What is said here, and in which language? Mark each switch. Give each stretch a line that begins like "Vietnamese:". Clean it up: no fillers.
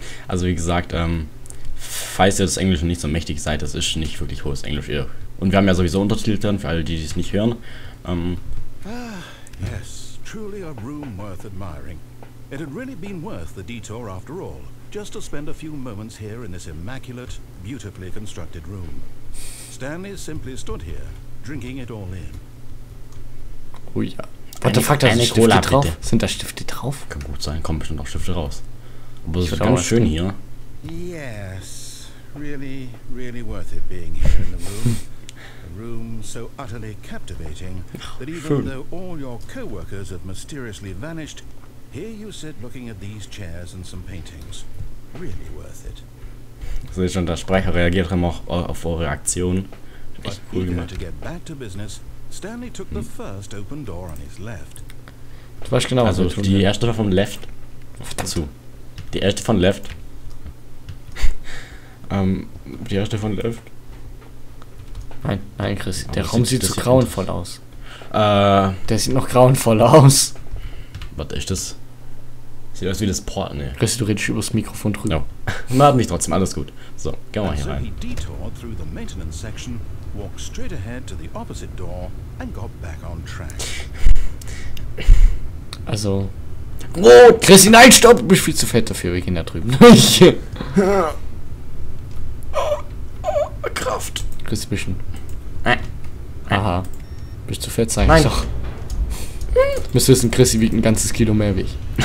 German: Also wie gesagt, falls ihr das Englische nicht so mächtig seid, das ist nicht wirklich hohes Englisch. Und wir haben ja sowieso Untertitel drin, für alle, die es nicht hören.
English: Yes, truly a room worth admiring. It had really been worth the detour after all. just to spend a few moments here in this immaculate, beautifully constructed room. Stanley simply stood here, drinking it all in.
German: Oh ja.
English: What the fuck,
German: da sind Stifte drauf? Bitte. Sind da Stifte drauf? Kann gut sein, kommen bestimmt auch Stifte raus. Aber es ist ganz schön hier.
English: Yes, really, really worth it being here in the room. Room so utterly captivating that even schön. Though all your co-workers have mysteriously vanished, here you sit looking at these chairs and some paintings. Really worth it.
German: Sehe schon, der Sprecher reagiert dann auch auf eure Aktion. Echt cool gemacht.
English: To get back to business, Stanley took the first open door on his left.
German: Du weißt genau, also die erste war vom Left zu. Die erste von Left. die erste von Left. Nein, nein, Chris, der Raum sieht so grauenvoll aus. Der sieht noch grauenvoller aus. Was ist das? Sieht aus wie das Port, ne? Chris, du redest übers Mikrofon drüber. No. Mach mich trotzdem, alles gut. So, gehen wir hier rein.
English: He detoured through the maintenance section, walked straight ahead to the opposite door and got back on track.
German: Also. Oh, Chris, nein, stopp! Du bist viel zu fett dafür, wir gehen da drüben. Kraft! Chris, ein bisschen. Aha. Bist du fett, sag ich. Nein, doch. Müsst ihr wissen, Chrissy wiegt ein ganzes Kilo mehr wie ich.